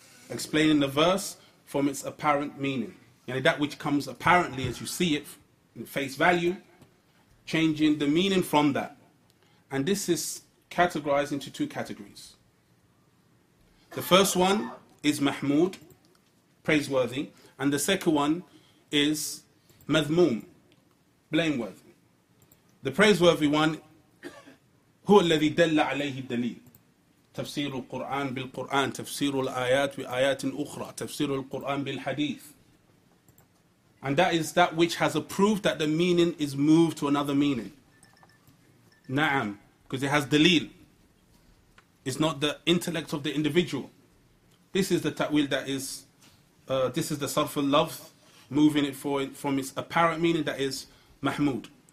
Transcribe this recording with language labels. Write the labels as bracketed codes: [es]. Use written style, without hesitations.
[en] Explaining the verse from its apparent meaning. Yani that which comes apparently as you see it, in face value, changing the meaning from that. And this is categorized into two categories. The first one is mahmud, praiseworthy, and the second one is madhmum, blameworthy. The praiseworthy one, [ar] هو الذي دل عليه الدليل, تفسير القرآن بالقرآن, تفسير الآيات بآيات أخرى, تفسير القرآن بالحديث. [en] And that is that which has a proof that the meaning is moved to another meaning. نعم, because it has دليل. It's not the intellect of the individual. This is the ta'wil that is, this is the sarf al-lafz, moving it from its apparent meaning, that is mahmud.